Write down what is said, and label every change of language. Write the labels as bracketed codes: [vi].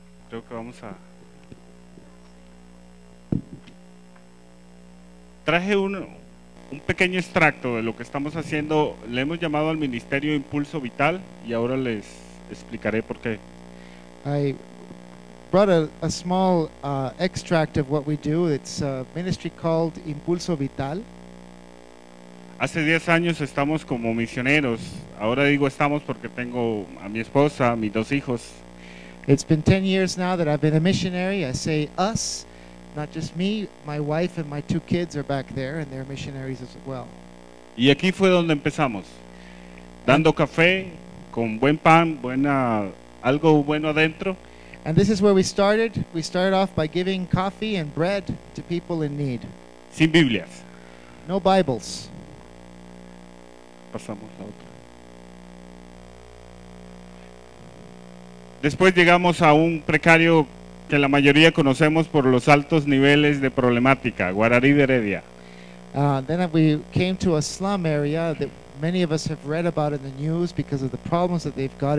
[es] Creo que vamos a... Traje un pequeño extracto de lo que estamos haciendo. Le hemos llamado al Ministerio Impulso Vital y ahora les explicaré por qué. [en] I brought a small extract of what we do. It's a ministry called Impulso Vital. [es] Hace 10 años estamos como misioneros. Ahora digo estamos porque tengo a mi esposa, a mis dos hijos. [en] It's been 10 years now that I've been a missionary. I say us, not just me, my wife and my two kids are back there and they're missionaries as well. [es] Y aquí fue donde empezamos. Dando café con buen pan, buena algo bueno adentro. [en] And this is where we started. We started off by giving coffee and bread to people in need. [es] Sin Biblias. [en] No Bibles. [es] Pasamos la otra. Después llegamos a un precario que la mayoría conocemos por los altos niveles de problemática, Guararida Heredia. [en] Then we came to a slum area that many of us have read about in the news because of the problems that they've got.